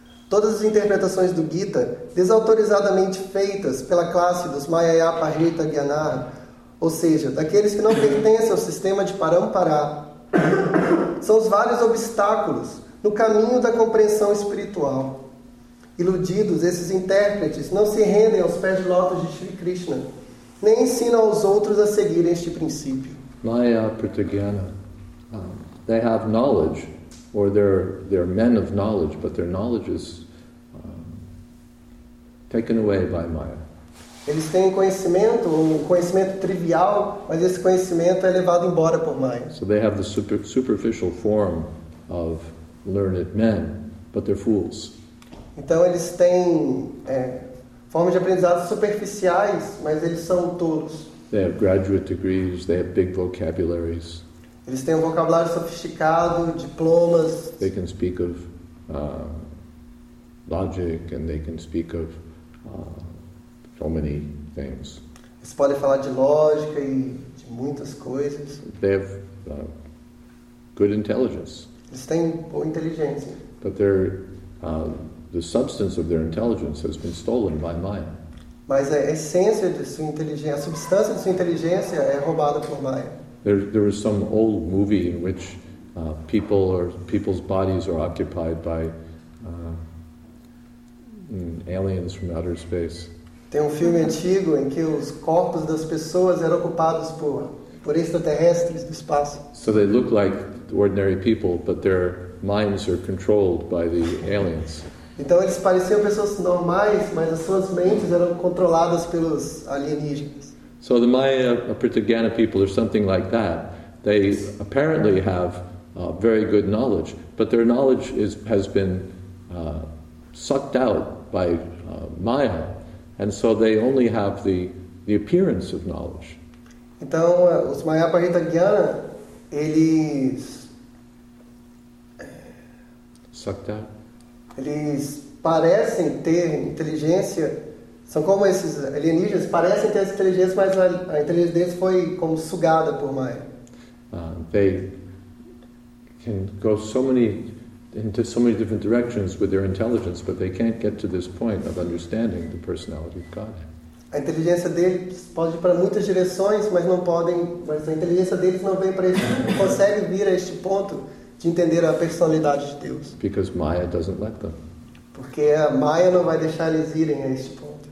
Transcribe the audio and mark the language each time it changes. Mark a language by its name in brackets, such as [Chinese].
[Portuguese] Todas as interpretações do Gita, desautorizadamente feitas pela classe dos Mayaya Parita Gyanar, ou seja, daqueles que não pertencem ao sistema de Parampará, são os vários obstáculos no caminho da compreensão espiritual. Iludidos, esses intérpretes não se rendem aos pés de lótus de Sri Krishna, nem ensinam aos outros a seguir este princípio. [English] Maya Pratigyana, they have knowledge, or they're men of knowledge, but their knowledge is taken away by Maya. [Portuguese] Eles têm conhecimento, um conhecimento trivial, mas esse conhecimento é levado embora por Maya. [English] So they have the superficial form of learned men, but they're fools. [Portuguese] Então eles têm formas de aprendizado superficiais, mas eles são tolos. [English] They have graduate degrees, they have big vocabularies. [Portuguese] Eles têm um vocabulário sofisticado, diplomas. [English] They can speak of logic and they can speak of so many things. [Portuguese] Eles podem falar de lógica e de muitas coisas. [English] They have good intelligence. [Portuguese] Eles têm boa inteligência. [English] But the substance of their intelligence has been stolen by Maya. [Portuguese] Mas a essência de sua inteligência, a substância de sua inteligência é roubada por Maya. [English] There is some old movie in which people's bodies are occupied by aliens from outer space. [Portuguese] Tem um filme antigo em que os corpos das pessoas eram ocupados por extraterrestres do espaço. [English] So they look like ordinary people, but their minds are controlled by the aliens. [Portuguese] Então eles pareciam pessoas normais, mas as suas mentes eram controladas pelos alienígenas. [English] So the Maya Pratigyana people are something like that. They apparently have very good knowledge, but their knowledge has been sucked out by Maya, and so they only have the appearance of knowledge. [Portuguese] Então os Maya Pratigyana, eles [English] sucked out. [Portuguese] Eles parecem ter inteligência. São como esses alienígenas, parecem ter essa inteligência, mas a inteligência deles foi como sugada por Maya. [English] They can go so many into so many different directions with their intelligence, but they can't get to this point of understanding the personality of God. [Portuguese] A inteligência deles pode ir para muitas direções, mas a inteligência deles não vem para isso, não consegue vir a este ponto de entender a personalidade de Deus. [English] Because Maya doesn't let them. [Portuguese] Porque a Maya não vai deixar eles irem a este ponto.